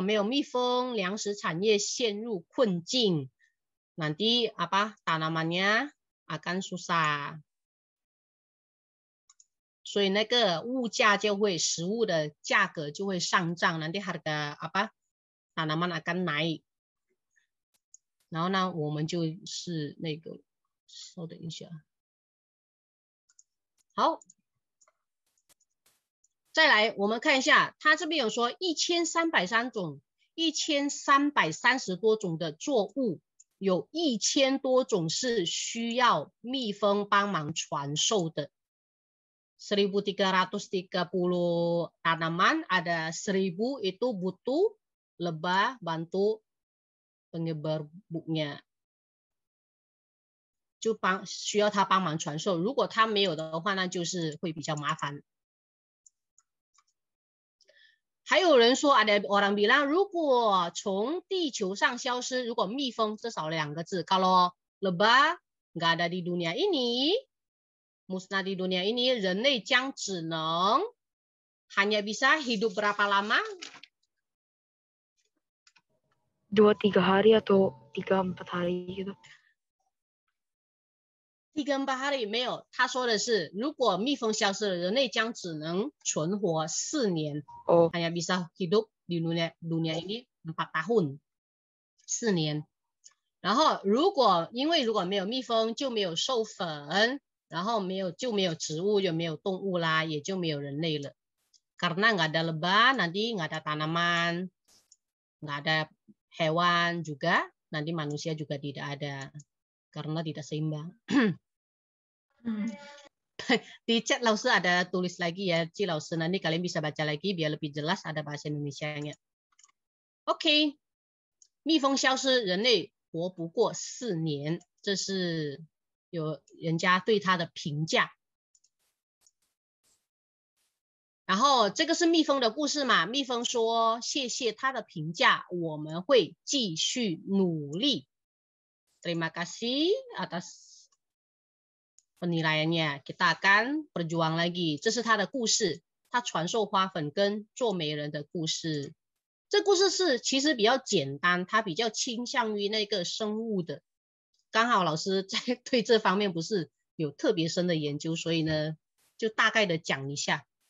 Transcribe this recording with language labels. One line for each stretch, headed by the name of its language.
Chinese: 这个你们可以再去了解一下哈，如果没有蜜蜂，粮食产业陷入困境，
Indonesian: nanti apa tanamannya akan susah，
Chinese: 所以那个物价就会，食物的价格就会上涨，
Indonesian: nanti harga apa tanaman akan naik，
Chinese: 然后呢，我们就是那个，稍等一下，好。再来我们看一下，他这边有说1330多种的作物，有1000多种是需要蜜蜂帮忙传授的。
Indonesian: 1330 tanaman ada 1000 itu butuh lebah bantu penyebar bunganya.
Chinese: Itu需要他帮忙传授。如果他没有的话，那就是会比较麻烦。还有人说
Indonesian: ada orang bilang,
Chinese: 如果从地球上消失，如果蜜蜂至少两个字
Indonesian: kalau lebah nggak ada di dunia ini. Musnah di dunia ini,
Chinese: 人类将只能
Indonesian: hanya bisa hidup berapa lama? 2-3 hari atau 3-4 hari gitu. 3-4 hari,
Chinese: 没有。他说的是，如果蜜蜂消失了，人类将只能存活4年。 Oh.
Indonesian: Hanya bisa hidup di dunia ini 4 tahun,
Chinese: 4年。然后如果，因为如果没有蜜蜂，就没有授粉。然后没有就没有植物，就没有动物啦，也就没有人类了。
Indonesian: Karena nggak ada lebah, nanti nggak ada tanaman, nggak ada hewan juga, nanti manusia juga tidak ada, karena tidak seimbang. Di chat 老师ada tulis lagi ya, Ci 老师, nanti kalian bisa baca lagi biar lebih jelas ada bahasa Indonesia nya.
Chinese: Okay, 蜜蜂消失，人类活不过四年，这是。有人家对他的评价。然后这个是蜜蜂的故事嘛，蜜蜂说谢谢他的评价，我们会继续努力。
Indonesian: Terima kasih atas penilaiannya, kita akan berjuang lagi.
Chinese: 这是他的故事，他传授花粉跟做媒人的故事。这故事是其实比较简单，他比较倾向于那个生物的，刚好老师在对这方面不是有特别深的研究，所以呢就大概的讲一下。